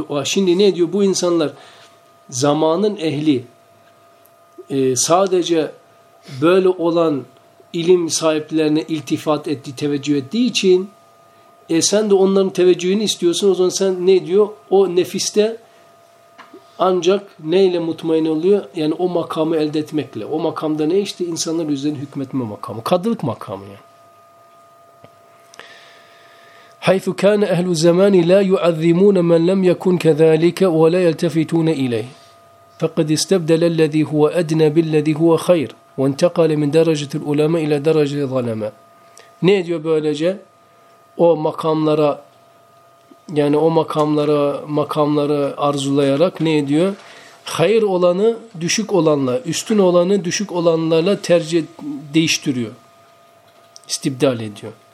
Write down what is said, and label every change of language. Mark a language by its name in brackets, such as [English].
[Turkish] Ha şimdi ne diyor bu insanlar? Zamanın ehli, sadece böyle olan ilim sahiplerine iltifat etti, teveccüh ettiği için sen de onların teveccühünü istiyorsun. O zaman sen ne diyor? O nefiste ancak neyle mutmain oluyor? Yani o makamı elde etmekle. O makamda ne işte? İnsanlar üzerine hükmetme makamı. Kadılık makamı yani. [Arabic] حيث كان أهل الزمان لا يعذمون من لم يكن كذلك ولا يلتفتون إليه فقد استبدل الذي هو أدنى بالذي هو خير وانتقل من درجة العلماء إلى درجة الظلماء. [Turkish] Ne diyor böylece? O makamlara, yani o makamlara, makamları arzulayarak ne diyor? Hayır olanı düşük olanla, üstün olanı düşük olanlarla tercih değiştiriyor. İstibdal ediyor.